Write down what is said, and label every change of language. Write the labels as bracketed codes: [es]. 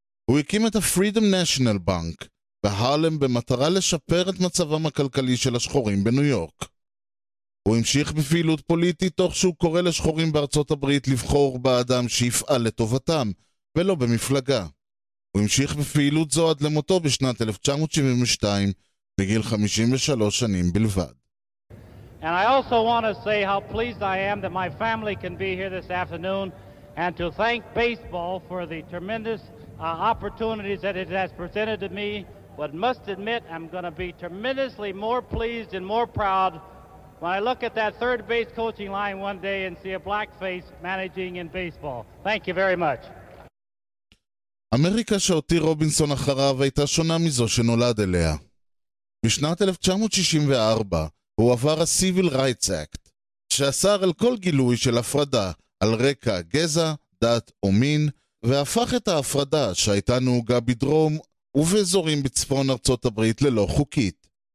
[he] הוא הקים את ה-Freedom National Bank בהרלם במטרה לשפר את מצבם הכלכלי של השחורים בניו יורק. הוא המשיך בפעילות פוליטית תוך שהוא קורא לשחורים בארצות הברית לבחור באדם שיפעל לטובתם, ולא במפלגה. הוא המשיך בפעילות זו עד למותו בשנת 1972, בגיל 53 שנים בלבד. [en] And I also want to say how pleased I am that my family can be here this afternoon and to thank baseball for the tremendous opportunities that it has presented to me. But must admit, I'm going to be tremendously more pleased and more proud when I look at that third base coaching line one day and see a black face managing in baseball. Thank you very much. [he] אמריקה שהותיר רובינסון אחריו הייתה שונה מזו שנולד אליה. בשנת 1964, הוא עבר ה-Civil Rights Act, שאסר על כל גילוי של הפרדה על רקע גזע, דת או מין, והפך את ההפרדה שהייתה נהוגה בדרום ובאזורים בצפון ארצות הברית ללא חוקית.